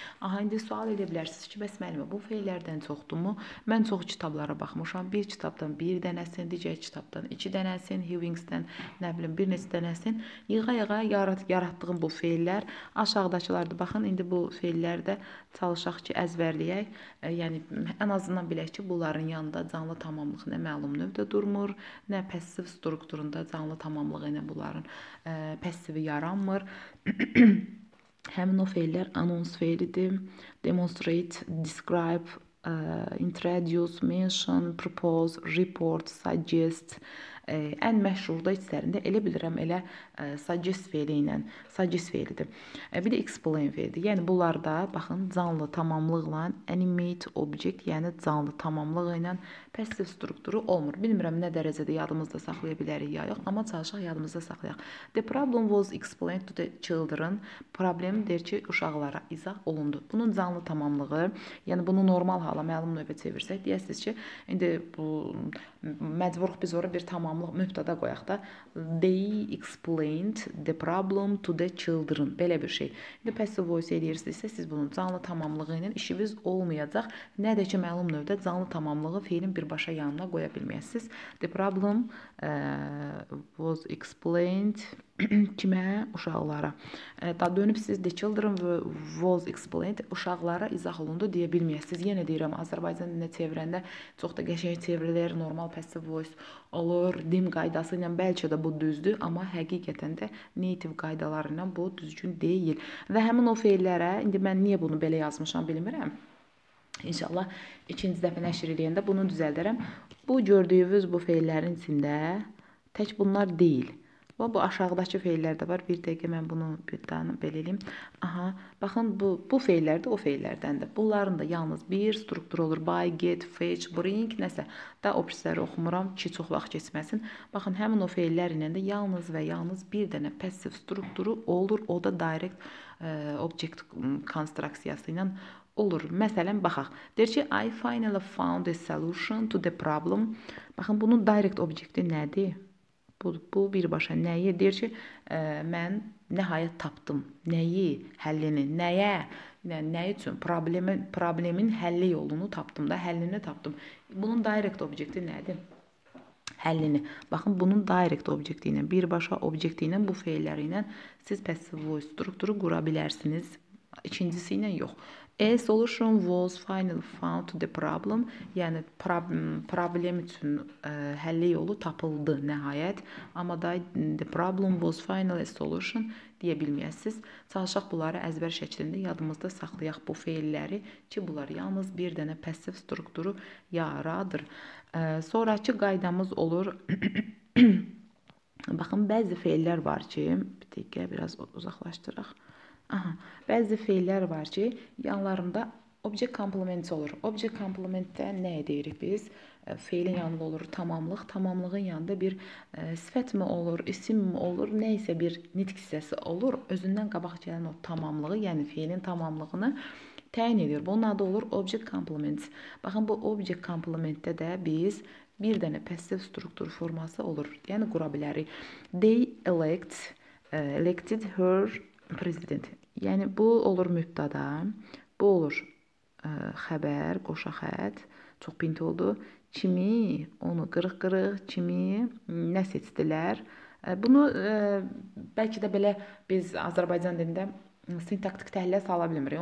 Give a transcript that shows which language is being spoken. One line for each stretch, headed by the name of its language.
Azerbaijani: Aha, indi sual edə bilərsiniz ki, bəs məlumə, bu fiillərdən çoxdur mu? Mən çox kitablara baxmışam, bir kitabdan bir dənəsin, digər kitabdan iki dənəsin, Hewings-dən nə bilim bir neçə dənəsin. Yığa-yığa yaratdığım bu fiillər aşağıdakılardır. Baxın, indi bu fiillərdə çalışaq ki, əzbərləyək. Yəni, ən azından bilək ki, bunların yanında canlı tamamlıq nə məlum növdə durmur, nə passiv strukturunda canlı tamamlığı nə bunların passivi yaranmır. Həmin o fiillər announce fiilidir, demonstrate, describe, introduce, mention, propose, report, suggest. Ən məşhurda içlərində elə bilirəm elə suggest fiili ilə suggest fiilidir. Bir də explain fiilidir. Yəni bunlarda baxın canlı tamamlıqla animate object, yəni canlı tamamlığı ilə passive strukturu olmur. Bilmirəm nə dərəcədə yadımızda saxlaya bilərik ya yox, amma çalışaq yadımızda saxlayaq.
English: The problem was explained to the children.
Azerbaijani: Problem deyir ki, uşaqlara izah olundu. Bunun canlı tamamlığı, yəni bunu normal hala məlum növbə çevirsək, deyəsiniz ki, indi bu məcburuq biz ora bir tamamlıq mübtəda qoyaq da.
English: They explained the problem to the children.
Azerbaijani: Belə bir şey. İndi passive voice edirsinizsə, siz bunun canlı tamamlığı ilə işiniz olmayacaq. Nə də ki, məlum növdə canlı tamamlığı fiilin birbaşa yanına qoya bilməyəsiniz.
English: The problem was explained
Azerbaijani: Kime? Uşaqlara. Da dönüb siz de
English: children was explained.
Azerbaijani: Uşaqlara izah olundu deyə bilməyəsiniz. Yenə deyirəm, Azərbaycan dilində çevirəndə çox da qəşəng çevrilir. Normal passive voice olur. Dim qaydası ilə bəlkə də bu düzdür. Amma həqiqətən də native qaydaları ilə bu düzgün deyil. Və həmin o feillərə, indi mən niyə bunu belə yazmışam bilmirəm. İnşallah ikinci dəfə nəşr eləyəndə bunu düzəldərəm. Bu gördüyünüz bu feillərin içində tək bunlar deyil. Bu aşağıdakı feillər də var. Bir dəqiqə mən bunu bir tane belə eləyim. Aha, baxın bu feillər də o feillərdəndir. Bunların da yalnız bir struktur olur.
English: Buy, get, fetch, bring,
Azerbaijani: nəsə. Da o pisləri oxumuram ki, çox vaxt keçməsin. Baxın, həmin o feillər ilə də yalnız və yalnız bir dənə passive strukturu olur. O da direct object konstruksiyası ilə olur. Məsələn, baxaq. Deyir ki,
English: I finally found a solution to the problem.
Azerbaijani: Baxın, bunun direct objekti nədir? Bu birbaşa nəyi? Deyir ki, mən nəhayət tapdım. Nəyi? Həllini. Nəyə? Nə üçün? Problemin həlli yolunu tapdım da. Həllini tapdım. Bunun direct objekti nədir? Həllini. Baxın, bunun direct objekti ilə, birbaşa objekti ilə, bu feilləri ilə siz passive voice strukturu qura bilərsiniz. İkincisi ilə yox.
English: A solution was finally found to the problem.
Azerbaijani: Yəni problem üçün həlli yolu tapıldı nəhayət. Amma da
English: the problem was finally a solution
Azerbaijani: deyə bilməyəsiniz. Çalışaq bunları əzbər şəklində yadımızda saxlayaq bu feilləri ki, bunlar yalnız bir dənə passive strukturu yaradır. Sonrakı qaydamız olur. Baxın, bəzi feillər var ki, bir dəqiqə biraz uzaqlaşdıraq. Aha, bəzi feillər var ki, yanlarında object complement olur. Object complement-də nəyə deyirik biz? Feilin yanında olur tamamlıq. Tamamlığın yanında bir sifət mi olur, isim mi olur, nə isə bir nitq hissəsi olur. Özündən qabaq gələn o tamamlığı, yəni feilin tamamlığını təyin edir. Bunun adı olur object complement. Baxın, bu object complement-də də biz bir dənə passive struktur forması olur. Yəni, qura bilərik.
English: They elected her Prezident.
Azerbaijani: Yəni, bu olur mübtada, bu olur xəbər, qoşa xət, çox pinti oldu. Kimi, onu qırıq-qırıq, kimi, nə seçdilər? Bunu bəlkə də belə biz Azərbaycan dilində sintaktik təhlilə sala bilmirik.